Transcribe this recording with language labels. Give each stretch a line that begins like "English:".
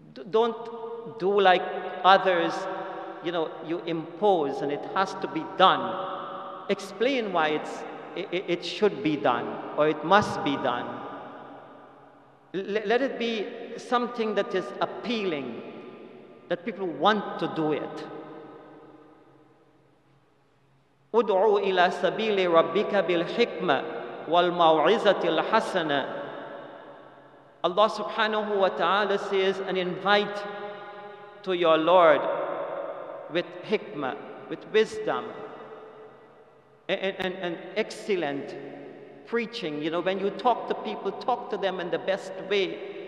English: Don't do like others, you know, you impose and it has to be done. Explain why it should be done, or it must be done. Let it be something that is appealing, that people want to do it.
Arabic: ادعوا إلى سبيل ربك بالحكمة والموعظة الحسنة.
English: Allah subhanahu wa ta'ala says, and invite to your Lord with hikmah, with wisdom, and excellent preaching. You know, when you talk to people, talk to them in the best way.